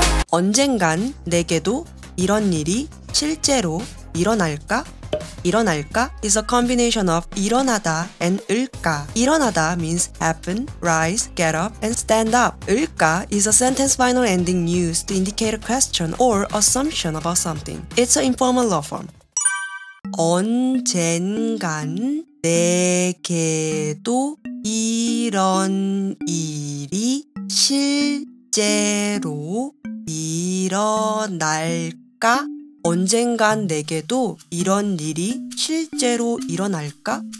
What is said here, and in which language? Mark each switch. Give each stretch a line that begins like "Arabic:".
Korean: 언젠간 내게도 이런 일이 실제로 일어날까? 일어날까?
English: is a combination of 일어나다 and 을까. 일어나다 means happen, rise, get up, and stand up. 을까 is a sentence final ending used to indicate a question or assumption about something. It's an informal law form.
Korean: 언젠간 내게도 이런 일이 실제로 일어날까? 언젠간 내게도 이런 일이 실제로 일어날까?